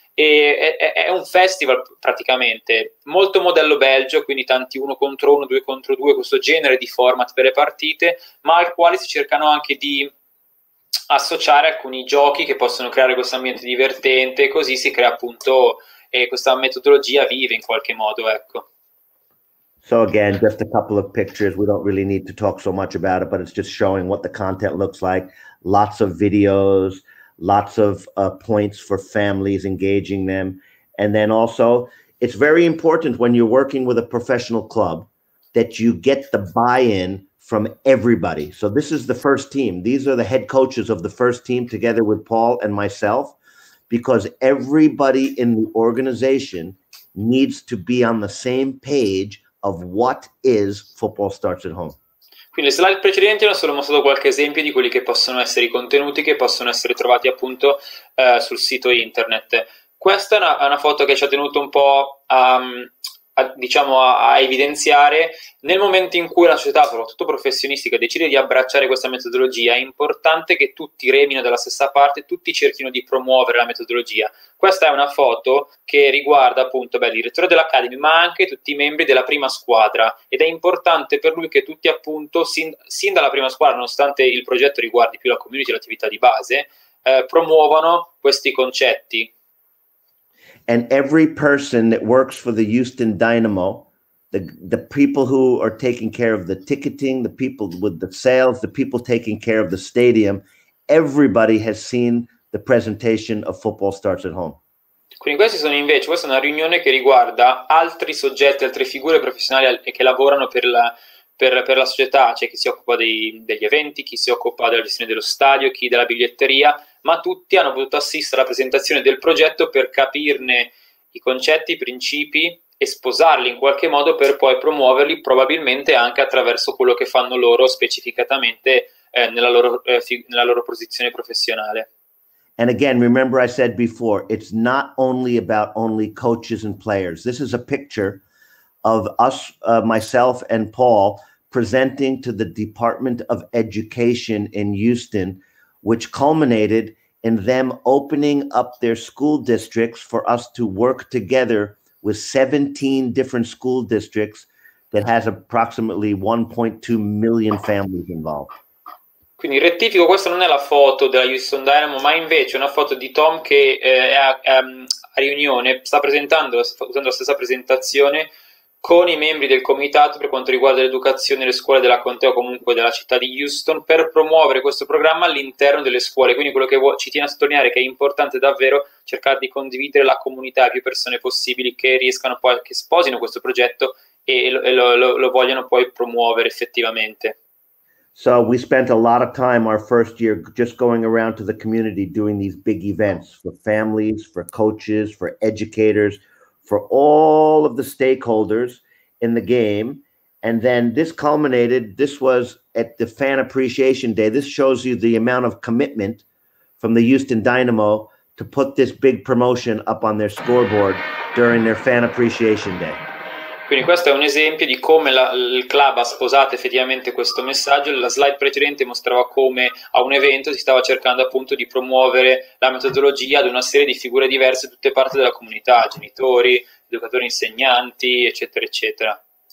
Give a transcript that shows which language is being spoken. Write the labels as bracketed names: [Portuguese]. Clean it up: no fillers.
[Italian] E è un festival praticamente, molto modello Belgio, quindi tanti uno contro uno, due contro due, questo genere di format per le partite, ma al quale si cercano anche di associare alcuni giochi che possono creare questo ambiente divertente, così si crea appunto questa metodologia vive in qualche modo, ecco. [English] So again, just a couple of pictures, we don't really need to talk so much about it, but it's just showing what the content looks like, lots of videos, lots of points for families, engaging them. And then also, it's very important when you're working with a professional club that you get the buy-in from everybody. So this is the first team. These are the head coaches of the first team together with Paul and myself, because everybody in the organization needs to be on the same page of what is Football Starts at Home. [Italian] Quindi le slide precedenti hanno solo mostrato qualche esempio di quelli che possono essere i contenuti che possono essere trovati appunto sul sito internet. Questa è una foto che ci ha tenuto un po' a evidenziare. Nel momento in cui la società, soprattutto professionistica, decide di abbracciare questa metodologia, è importante che tutti remino dalla stessa parte, tutti cerchino di promuovere la metodologia. Questa è una foto che riguarda appunto il direttore dell'Academy, ma anche tutti i membri della prima squadra, ed è importante per lui che tutti appunto, sin dalla prima squadra, nonostante il progetto riguardi più la community e l'attività di base, promuovano questi concetti. [English] And every person that works for the Houston Dynamo, the people who are taking care of the ticketing, the people with the sales, the people taking care of the stadium, everybody has seen the presentation of Football Starts at Home. [Italian] Quindi questi sono invece, questa è una riunione che riguarda altri soggetti, altre figure professionali che lavorano per la società, cioè chi si occupa degli eventi, chi si occupa della gestione dello stadio, chi della biglietteria, ma tutti hanno potuto assistere alla presentazione del progetto per capirne i concetti, i principi e sposarli in qualche modo per poi promuoverli probabilmente anche attraverso quello che fanno loro specificatamente nella loro posizione professionale. [English] And again, remember I said before, it's not only about only coaches and players. This is a picture of us, myself and Paul, presenting to the Department of Education in Houston, which culminated in them opening up their school districts for us to work together with 17 different school districts that has approximately 1.2 million families involved. [Italian] Quindi rettifico, questa non è la foto della Houston Dynamo, ma invece una foto di Tom che è a riunione, sta presentando, usando la stessa presentazione, con i membri del comitato per quanto riguarda l'educazione, le scuole della Contea o comunque della città di Houston, per promuovere questo programma all'interno delle scuole. Quindi quello che ci tiene a sottolineare è che è importante davvero cercare di condividere la comunità a più persone possibili che riescano poi, che sposino questo progetto e lo vogliono poi promuovere effettivamente. [English] So we spent a lot of time our first year just going around to the community doing these big events for families, for coaches, for educators, for all of the stakeholders in the game. And then this culminated, this was at the Fan Appreciation Day. This shows you the amount of commitment from the Houston Dynamo to put this big promotion up on their scoreboard during their Fan Appreciation Day. [Italian] Quindi questo è un esempio di come il club ha sposato effettivamente questo messaggio. La slide precedente mostrava come a un evento si stava cercando appunto di promuovere la metodologia ad una serie di figure diverse, tutte parte della comunità, genitori, educatori, insegnanti, eccetera, eccetera.